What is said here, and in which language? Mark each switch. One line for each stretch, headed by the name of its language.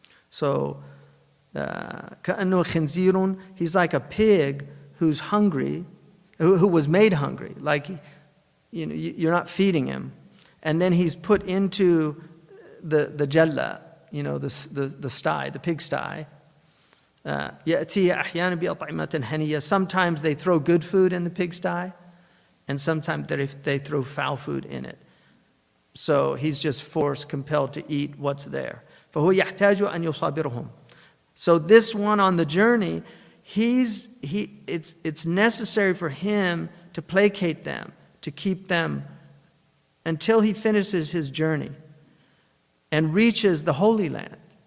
English: So,
Arabic: كأنه خنزيرٌ,
English: he's like a pig who's hungry, who was made hungry. Like, you know, you're not feeding him, and then he's put into the jalla, you know, the sty, the pigsty.
Arabic: يأتيه أحيانا بأطعمة هنية.
English: Sometimes they throw good food in the pigsty, and sometimes they throw foul food in it. So he's just forced, compelled to eat what's there.
Arabic: فهو يحتاج أن يصابرهم.
English: So this one on the journey, it's necessary for him to placate them, to keep them until he finishes his journey and reaches the Holy Land.